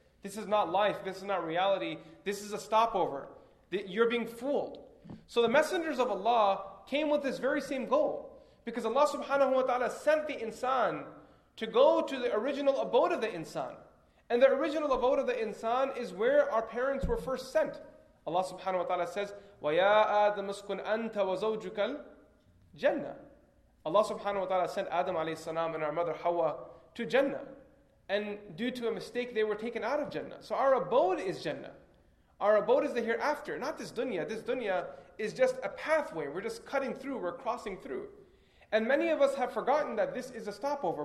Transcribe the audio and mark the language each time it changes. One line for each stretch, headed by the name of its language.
English: This is not life, this is not reality, this is a stopover. You're being fooled. So the messengers of Allah came with this very same goal. Because Allah subhanahu wa ta'ala sent the insan to go to the original abode of the insan. And the original abode of the insan is where our parents were first sent.
Arabic: Allah subhanahu wa ta'ala says, وَيَا آدَمُ اسْكُنْ أَنْتَ وَزَوْجُكَ الْجَنَّةِ.
English: Allah subhanahu wa ta'ala sent Adam alayhi salam and our mother Hawa to Jannah. And due to a mistake, they were taken out of Jannah. So our abode is Jannah. Our abode is the hereafter, not this dunya. This dunya is just a pathway. We're just cutting through, we're crossing through. And many of us have forgotten that this is a stopover.